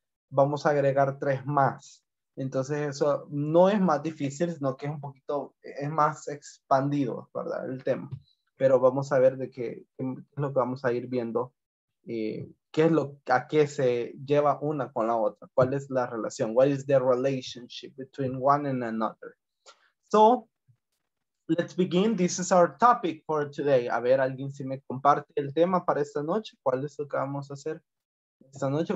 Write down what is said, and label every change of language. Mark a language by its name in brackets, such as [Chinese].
[Spanish] Vamos a agregar 3 más. Entonces eso no es más difícil, sino que es un poquito, es más expandido, ¿verdad? El tema. Pero vamos a ver de qué es lo que vamos a ir viendo, qué es lo, a qué se lleva una con la otra. ¿Cuál es la relación? [English] What is the relationship between one and another? So, let's begin. This is our topic for today. [Spanish] A ver, alguien si me comparte el tema para esta noche. ¿Cuál es lo que vamos a hacer esta noche?